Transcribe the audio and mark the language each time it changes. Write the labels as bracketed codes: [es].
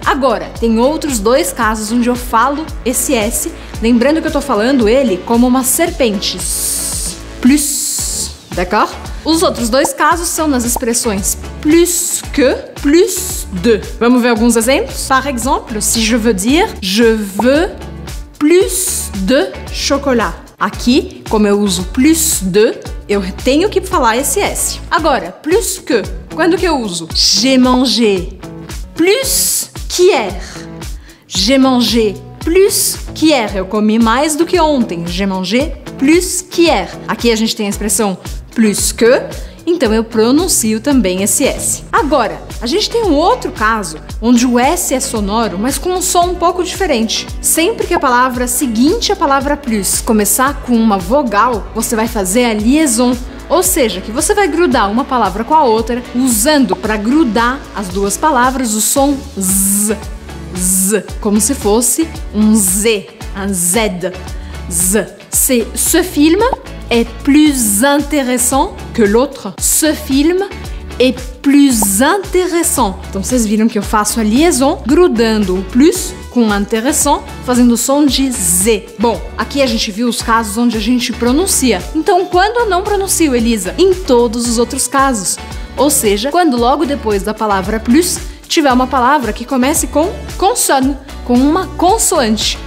[pt] Agora, tem outros dois casos onde eu falo esse S, lembrando que eu tô falando ele como uma serpente. [fr] Plus, d'accord? [pt] Os outros dois casos são nas expressões plus que, plus de. Vamos ver alguns exemplos? [fr] Par exemple, si je veux dire je veux plus de chocolat. [pt] Aqui, como eu uso plus de, eu tenho que falar esse S. Agora, plus que, quando que eu uso? [fr] J'ai mangé plus qu'hier. J'ai mangé plus qu'hier. [pt] Eu comi mais do que ontem. [fr] J'ai mangé plus qu'hier. [pt] Aqui a gente tem a expressão plus que, então eu pronuncio também esse S. Agora, a gente tem um outro caso onde o S é sonoro, mas com um som um pouco diferente. Sempre que a palavra seguinte à palavra plus começar com uma vogal, você vai fazer a liaison. Ou seja, que você vai grudar uma palavra com a outra, usando para grudar as duas palavras o som z, z, como se fosse um z, um z, z. [fr] C'est ce film est plus intéressant que l'autre. Ce film est plus intéressant. [pt] Então vocês viram que eu faço a liaison grudando o plus com intéressant, fazendo o som de Z. Bom, aqui a gente viu os casos onde a gente pronuncia. Então quando eu não pronuncio, Elisa? Em todos os outros casos. Ou seja, quando logo depois da palavra plus tiver uma palavra que comece com consonne, com uma consoante.